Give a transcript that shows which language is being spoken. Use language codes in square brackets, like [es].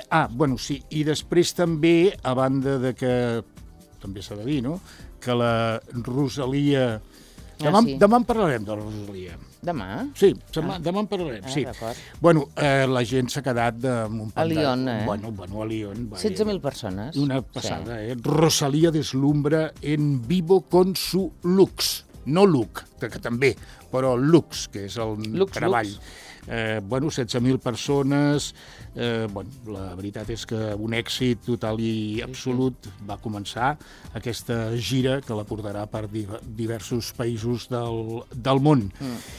[ca] Bueno, sí, i després també, a banda de que, també s'ha de dir, no?, que la Rosalia... Demà en parlarem, de la Rosalia. Demà? Sí, demà en parlarem, sí. D'acord. Bueno, la gent s'ha quedat amb un pantal. A Lyon, eh? Bueno, a Lyon. 16.000 persones. Una passada, sí. [es] Rosalia deslumbra en vivo con su lux. [ca] No look, que també, però lux, que és el lux, treball. Lux. Bueno, 16.000 persones. Bueno, la veritat és que un èxit total i absolut. Sí. Va començar aquesta gira que la portarà per diversos països del món. Mm.